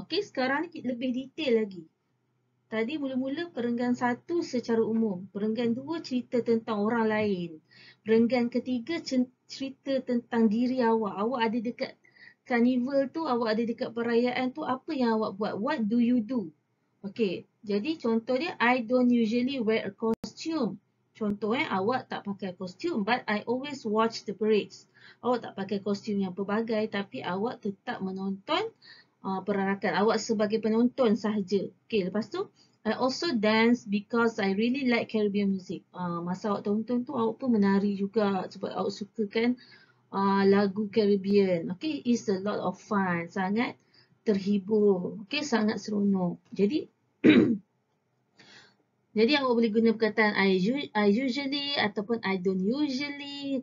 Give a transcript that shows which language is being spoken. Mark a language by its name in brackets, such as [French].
[Malay] Okay, sekarang ni lebih detail lagi. Tadi mula-mula perenggan 1 secara umum. Perenggan 2 cerita tentang orang lain. Perenggan ketiga cerita tentang diri awak. Awak ada dekat carnival tu, awak ada dekat perayaan tu, apa yang awak buat? [English] What do you do? Okay, [Malay] jadi contoh dia, [English] I don't usually wear a costume. [Malay] Contoh awak tak pakai kostum, [English] but I always watch the parades. [Malay] Awak tak pakai kostum yang pelbagai, tapi awak tetap menonton perarakan. Awak sebagai penonton sahaja. [English] Okay, [Malay] lepas tu, [English] I also dance because I really like Caribbean music. [Malay] Masa awak tonton tu, awak pun menari juga sebab awak sukakan lagu Caribbean. [English] Okay, it's a lot of fun. [Malay] Sangat terhibur. Okay, sangat seronok. Jadi, jadi awak boleh guna perkataan [English] I usually [Malay] ataupun [English] I don't usually.